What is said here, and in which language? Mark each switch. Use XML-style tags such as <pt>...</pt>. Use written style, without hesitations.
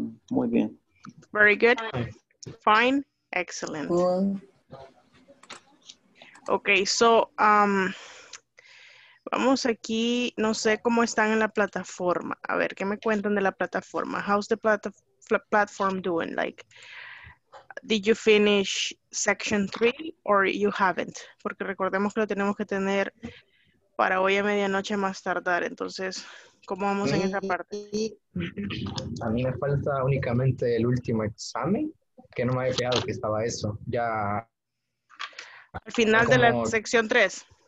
<es>Muy bien.</es> <en>Very good. Fine. Excellent.</en> <es>Okay, so, vamos aquí, no sé cómo están en la plataforma. A ver, ¿qué me cuentan de la plataforma?</es> <en>How's the plataforma? Platform doing, like, did you finish section 3 or you haven't?</en> <es>Porque recordemos que lo tenemos que tener para hoy a medianoche más tardar. Entonces, ¿cómo vamos en esa parte? A mí me falta únicamente el último examen, que no me había fijado que estaba eso. Ya al final como de la sección 3.</es>